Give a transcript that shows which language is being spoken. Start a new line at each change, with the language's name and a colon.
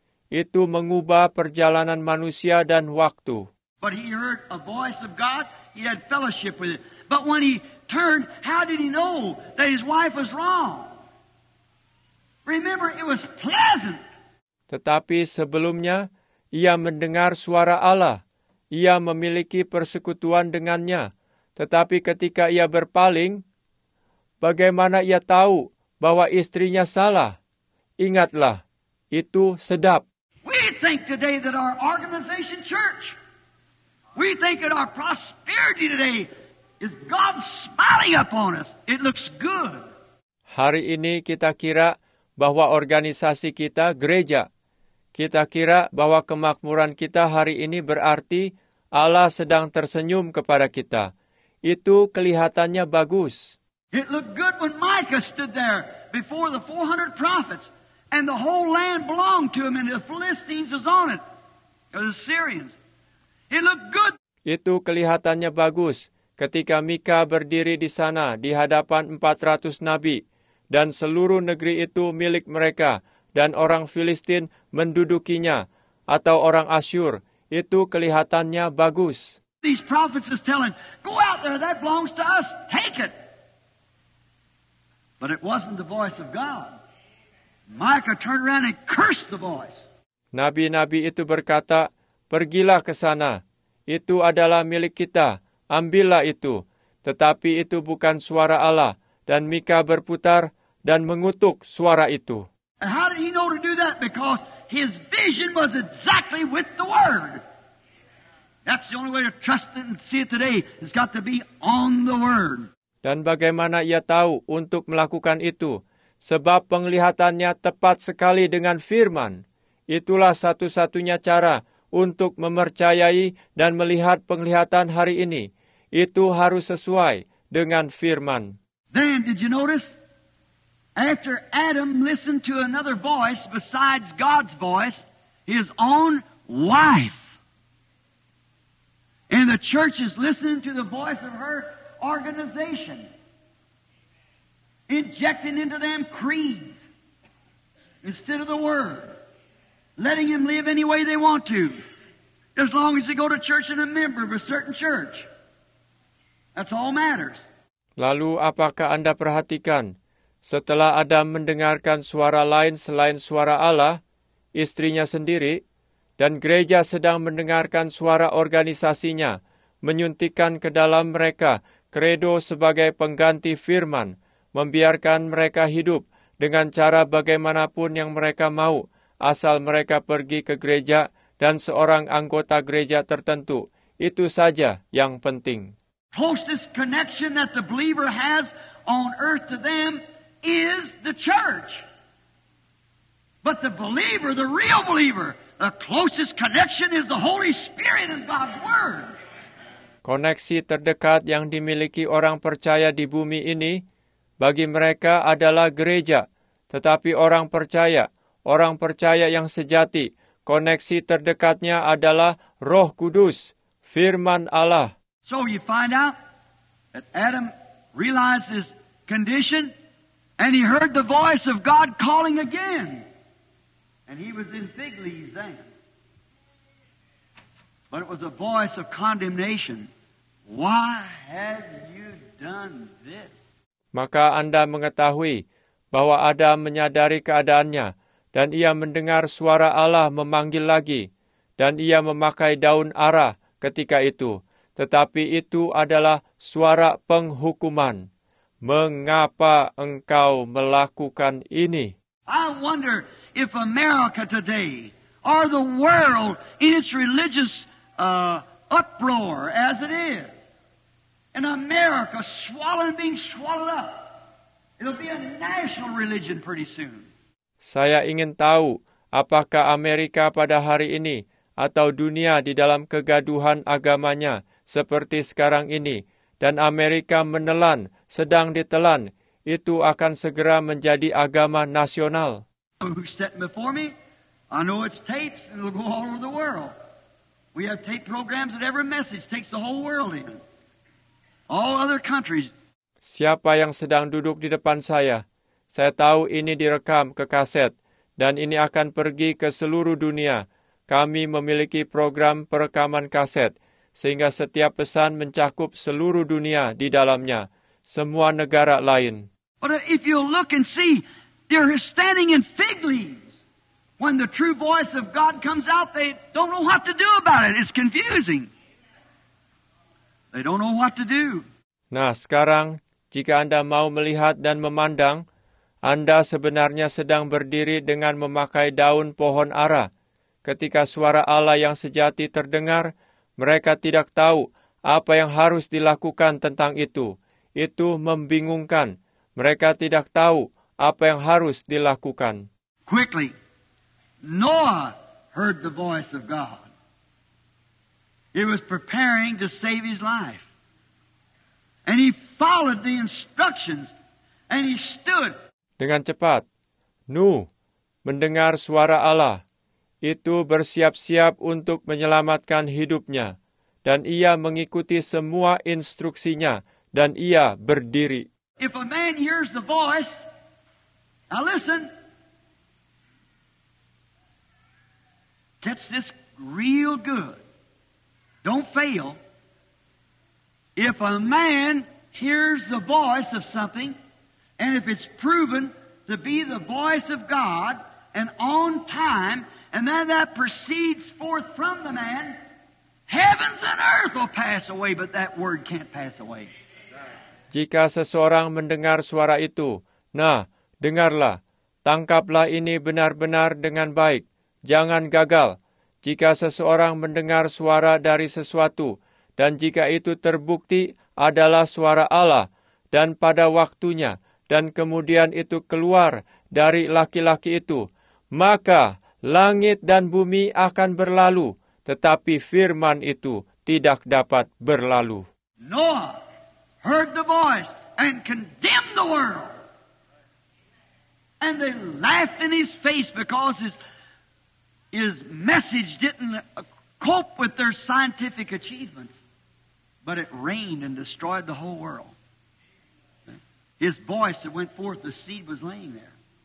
Indonesian: Itu mengubah perjalanan manusia dan waktu.
English: But he heard a voice of God. He had fellowship with it. But when he turned, how did he know that his wife was wrong? Remember, it was pleasant.
Indonesian: Tetapi sebelumnya, ia mendengar suara Allah. Ia memiliki persekutuan dengannya. Tetapi ketika ia berpaling, bagaimana ia tahu bahwa istrinya salah? Ingatlah, itu sedap.
English: We think today that our organization church, we think that our prosperity today is God smiling upon us. It looks good.
Indonesian: Hari ini kita kira bahwa organisasi kita gereja. Kita kira bahwa kemakmuran kita hari ini berarti Allah sedang tersenyum kepada kita. Itu kelihatannya bagus.
English: It looked good when Micah stood there before the 400 prophets. And the whole land belonged to him, and the Philistines was on it, or the Syrians. It looked good.
Indonesian: Itu kelihatannya bagus ketika Mika berdiri di sana di hadapan 400 nabi, dan seluruh negeri itu milik mereka, dan orang Filistin mendudukinya, atau orang Asyur. Itu kelihatannya bagus.
English: These prophets is telling, go out there, that belongs to us, take it. But it wasn't the voice of God. Micah turned around and cursed the voice.
Indonesian: Nabi-nabi itu berkata, "Pergilah ke sana. Itu adalah milik kita. Ambillah itu." Tetapi itu bukan suara Allah, dan Mika berputar dan mengutuk suara itu.
English: And how did he know to do that? Because his vision was exactly with the word. That's the only way to trust it and see it today. It's got to be on the word.
Indonesian: Dan bagaimana ia tahu untuk melakukan itu? Sebab penglihatannya tepat sekali dengan firman. Itulah satu-satunya cara untuk mempercayai dan melihat penglihatan hari ini. itu harus sesuai dengan firman.
English: Then did you notice? After Adam listened to another voice besides God's voice, his own wife. And the church is listening to the voice of her organization, injecting into them creeds instead of the word, letting them live any way they want to, as long as they go to church and a member of a certain church. That's all matters.
Indonesian: Lalu apakah Anda perhatikan, setelah Adam mendengarkan suara lain selain suara Allah, istrinya sendiri, dan gereja sedang mendengarkan suara organisasinya, menyuntikkan ke dalam mereka kredo sebagai pengganti firman, membiarkan mereka hidup dengan cara bagaimanapun yang mereka mau, asal mereka pergi ke gereja dan seorang anggota gereja tertentu. Itu saja yang penting.
English: Closest connection that the believer has on earth to them is the church. But the believer, the real believer, the closest connection is the Holy Spirit and God's Word.
Indonesian: Koneksi terdekat yang dimiliki orang percaya di bumi ini bagi mereka adalah gereja. Tetapi orang percaya yang sejati, koneksi terdekatnya adalah Roh Kudus, Firman Allah.
English: So you find out that Adam realized his condition and he heard the voice of God calling again. And he was in fig leaves then. But it was a voice of condemnation. Why have you done this?
Indonesian: Maka Anda mengetahui bahwa Adam menyadari keadaannya dan ia mendengar suara Allah memanggil lagi dan ia memakai daun ara ketika itu. Tetapi itu adalah suara penghukuman. Mengapa engkau melakukan ini?
English: I wonder if America today or the world in its religious uproar as it is, in America being swallowed up, it'll be a national religion pretty soon.
Indonesian: Saya ingin tahu apakah Amerika pada hari ini atau dunia di dalam kegaduhan agamanya seperti sekarang ini, dan Amerika menelan, sedang ditelan, itu akan segera menjadi agama nasional.
English: Who's sitting before me? I know it's tapes, and it'll go all over the world. We have tape programs that every message takes the whole world in. All other countries.
Indonesian: Siapa yang sedang duduk di depan saya? Saya tahu ini direkam ke kaset, dan ini akan pergi ke seluruh dunia. Kami memiliki program perekaman kaset, sehingga setiap pesan mencakup seluruh dunia di dalamnya, semua negara lain.
English: But if you look and see, they're standing in fig leaves. When the true voice of God comes out, they don't know what to do about it. It's confusing. They don't know what to do.
Indonesian: Nah, sekarang, jika Anda mau melihat dan memandang, Anda sebenarnya sedang berdiri dengan memakai daun pohon ara. Ketika suara Allah yang sejati terdengar, mereka tidak tahu apa yang harus dilakukan tentang itu. Itu membingungkan. Mereka tidak tahu apa yang harus dilakukan.
English: Quickly, Noah heard the voice of God. He was preparing to save his life. And he followed the instructions and he stood.
Indonesian: Dengan cepat, Nuh mendengar suara Allah. Itu bersiap-siap untuk menyelamatkan hidupnya. Dan ia mengikuti semua instruksinya. Dan ia berdiri.
English: If a man hears the voice, now listen. Catch this real good. Don't fail. If a man hears the voice of something, and if it's proven to be the voice of God, and on time, and then that proceeds forth from the man, heavens and earth will pass away, but that word can't pass away.
Indonesian: Jika seseorang mendengar suara itu, nah, dengarlah, tangkaplah ini benar-benar dengan baik, jangan gagal. Jika seseorang mendengar suara dari sesuatu, dan jika itu terbukti adalah suara Allah, dan pada waktunya, dan kemudian itu keluar dari laki-laki itu, maka langit dan bumi akan berlalu, tetapi firman itu tidak dapat berlalu.
English: Noah heard the voice and condemned the world. And they laughed in his face because his message didn't cope with their scientific achievements. But it rained and destroyed the whole world. His voice that went forth, the seed was laying there.